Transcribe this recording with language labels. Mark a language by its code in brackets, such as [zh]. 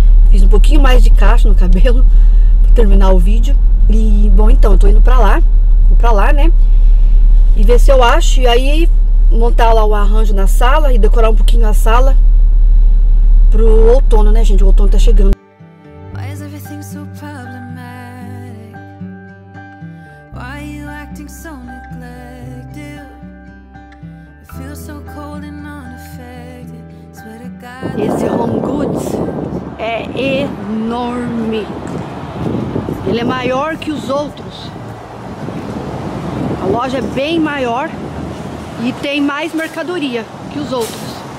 [pt] Fiz um pouquinho mais de cacho no cabelo... terminar o vídeo. E bom, então eu tô indo pra lá, né, e ver se eu acho. E aí montar lá o arranjo na sala e decorar um pouquinho a sala pro outono, né, gente? O outono tá chegando. [en] Why is everything so problematic? Why are you acting so neglected? I feel so cold and unaffected. Swear to God. [pt] Esse Home Goods é enorme. Ele é maior que os outros. A loja é bem maior e tem mais mercadoria que os outros.